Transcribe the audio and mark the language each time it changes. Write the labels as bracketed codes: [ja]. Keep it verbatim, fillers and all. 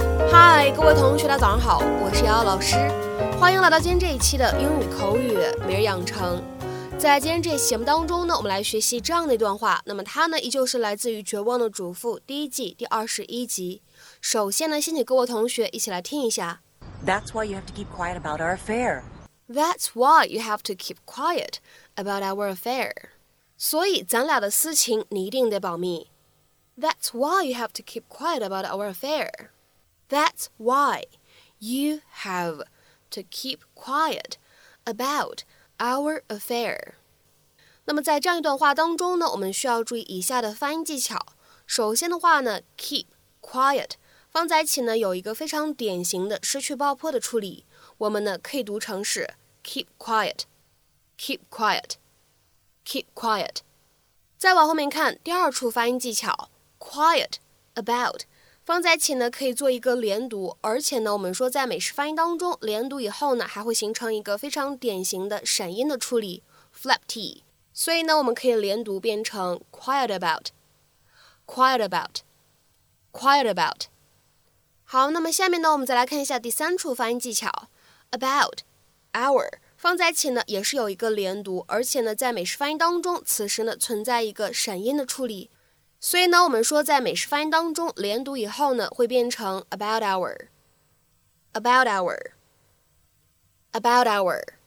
[zh] 嗨，各位同学，大家早上好，我是瑶瑶老师，欢迎来到今天这一期的英语口语每日养成。在今天这一期节目当中呢，我们来学习这样的一段话。那么它呢，依旧是来自于《绝望的主妇》第一季第二十一集。首先呢，先请各位同学一起来听一下。 [en] That's why you have to keep quiet about our affair. That's why you have to keep quiet about our affair. [zh] 所以咱俩的私情你一定得保密。 [en] That's why you have to keep quiet about our affair. That's why you have to keep quiet about. Our affair. [zh] 那么在这样一段话当中呢，我们需要注意以下的发音技巧。首先的话呢 ， [en] keep quiet [zh] 放在一起呢，有一个非常典型的失去爆破的处理。我们呢可以读成是 [en] keep quiet, keep quiet, keep quiet。 [zh] 再往后面看第二处发音技巧 ， [en] quiet about [zh] 放在一起呢，可以做一个连读，而且呢，我们说在美式发音当中，连读以后呢，还会形成一个非常典型的闪音的处理 ， [en] flap t。 [zh] 所以呢，我们可以连读变成 [en] quiet about, quiet about, quiet about。 [zh] 好，那么下面呢，我们再来看一下第三处发音技巧 ， [en] about our [zh] 放在一起呢，也是有一个连读，而且呢，在美式发音当中，此时呢存在一个闪音的处理。所以呢，我们说在美式发音当中，连读以后呢，会变成 [en] about hour, about hour, about hour。